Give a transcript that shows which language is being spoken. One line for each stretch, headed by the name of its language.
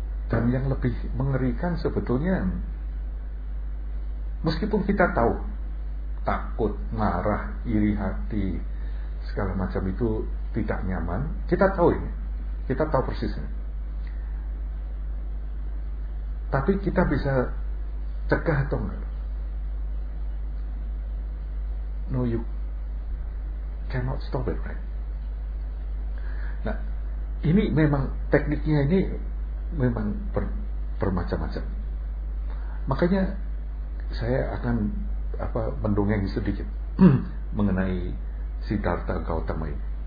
Indonesian: Dan yang lebih mengerikan sebetulnya, meskipun kita tahu takut, marah, iri hati, segala macam itu tidak nyaman, kita tahu ini, kita tahu persisnya. Tapi kita bisa cegah atau enggak?
English: No, you cannot stop it, right?
Indonesian: Nah, ini memang tekniknya ini memang bermacam-macam. Makanya saya akan apa mendongeng sedikit mengenai Siddhartha Gautama ini.